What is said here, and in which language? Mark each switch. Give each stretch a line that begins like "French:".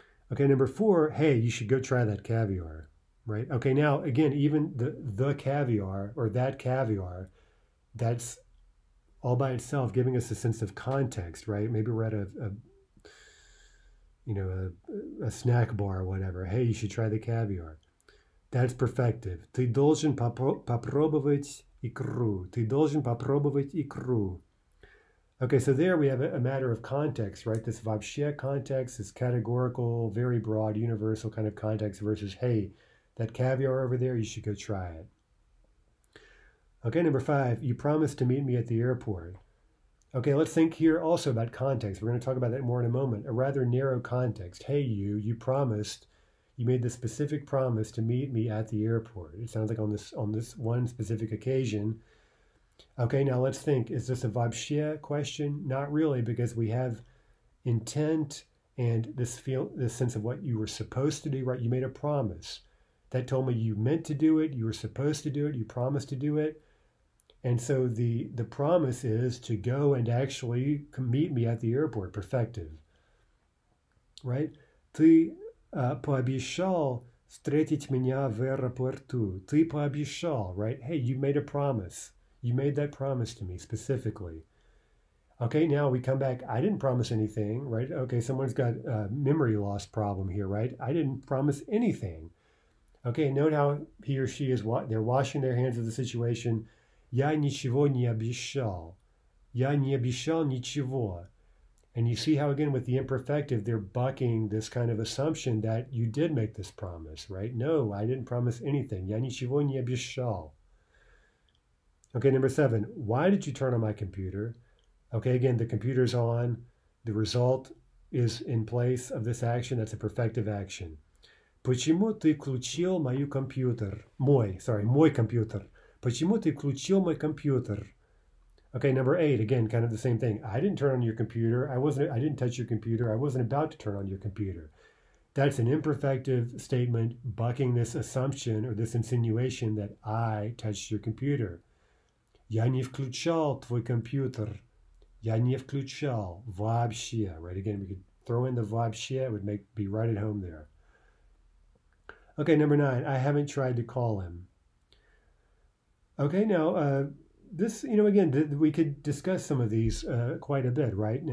English: Okay, number four, hey, you should go try that caviar. Right? Okay, now again, even the caviar or that caviar, that's all by itself giving us a sense of context, right? Maybe we're at a snack bar or whatever. Hey, you should try the caviar. That's perfective.
Russian: Ты должен попробовать икру. Ты должен попробовать икру.
English: Okay, so there we have a matter of context, right? This vobshche context, this categorical, very broad, universal kind of context versus, hey, that caviar over there, you should go try it. Okay, number five, you promised to meet me at the airport. Okay, let's think here also about context. We're going to talk about that more in a moment. A rather narrow context. Hey, you promised, you made the specific promise to meet me at the airport. It sounds like on this one specific occasion. Okay, now let's think. Is this a vobshche question? Not really, because we have intent and this sense of what you were supposed to do, right? You made a promise that told me you meant to do it, you were supposed to do it, you promised to do it. And so the promise is to go and actually meet me at the airport, perfective. Right?
Russian: Ты пообещал встретить меня в аэропорту. Ты пообещал,
English: right? Hey, you made a promise. You made that promise to me specifically. Okay, now we come back. I didn't promise anything, right? Okay, someone's got a memory loss problem here, right? I didn't promise anything. Okay, note how he or she is what they're washing their hands of the situation.
Russian: Я ничего не обещал. Я не обещал ничего.
English: And you see how, again, with the imperfective, they're bucking this kind of assumption that you did make this promise, right? No, I didn't promise anything.
Russian: Я ничего не обещал.
English: Okay, number seven, why did you turn on my computer? Okay, again, the computer's on. The result is in place of this action. That's a perfective action.
Russian: Почему ты включил мой компьютер? Мой,
English: sorry,
Russian: мой компьютер. Почему ты включил мой компьютер?
English: Okay, number eight, again, kind of the same thing. I didn't turn on your computer. I didn't touch your computer. I wasn't about to turn on your computer. That's an imperfective statement bucking this assumption or this insinuation that I touched your computer.
Russian: Я не включал твой компьютер. Я не включал вообще.
English: Right, again, we could throw in the вообще. It would be right at home there. Okay, number nine. I haven't tried to call him. Okay, now this, again, we could discuss some of these quite a bit, right?